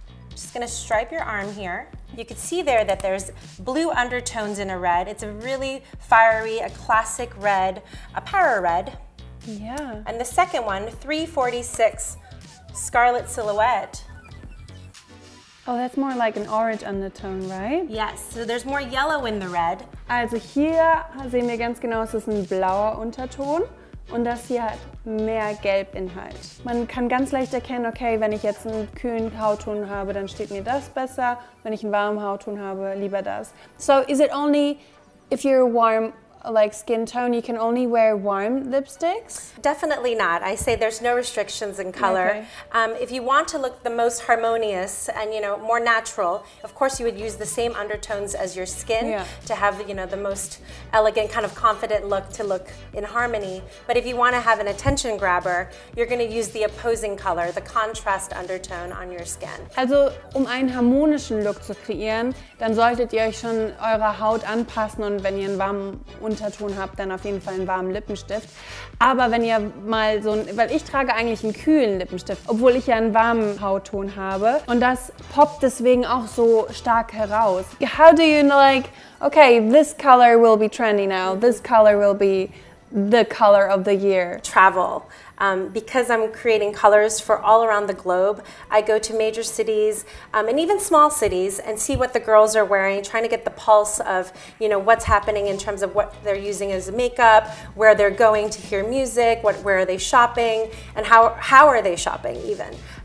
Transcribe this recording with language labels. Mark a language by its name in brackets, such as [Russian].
[English] Just going to stripe your arm here. You can see there that there's blue undertones in a red. It's a really fiery, a classic red, a power red. Yeah. And the second one, 346, Scarlet Silhouette. Oh, that's more like an orange undertone, right? Yes, so there's more yellow in the red. [German] Also hier sehen wir ganz genau, es ist ein blauer Unterton. Und das hier hat mehr Gelbinhalt. Man kann ganz leicht erkennen, okay, wenn ich jetzt einen kühlen Hautton habe, dann steht mir das besser. Wenn ich einen warmen Hautton habe, lieber das. [English] So, is it only if you're warm, like skin tone, you can only wear warm lipsticks? Definitely not. I say there's no restrictions in color. Okay. If you want to look the most harmonious and, you know, more natural, of course you would use the same undertones as your skin to have, you know, the most elegant kind of confident look to look in harmony. But if you want to have an attention grabber, you're going to use the opposing color, the contrast undertone on your skin. [German] Also, einen harmonischen Look zu kreieren, dann solltet ihr euch schon eure Haut anpassen und wenn ihr einen warmen Unterton habt, dann auf jeden Fall einen warmen Lippenstift. Aber wenn ihr mal so ein, weil ich trage eigentlich einen kühlen Lippenstift, obwohl ich ja einen warmen Hautton habe. Und das poppt deswegen auch so stark heraus. [English] How do you like, okay, this color will be trendy now, this color will be the color of the year? Travel. Because I'm creating colors for all around the globe, I go to major cities and even small cities and see what the girls are wearing, trying to get the pulse of, you know, what's happening in terms of what they're using as makeup, where they're going to hear music, where are they shopping, and how are they shopping even.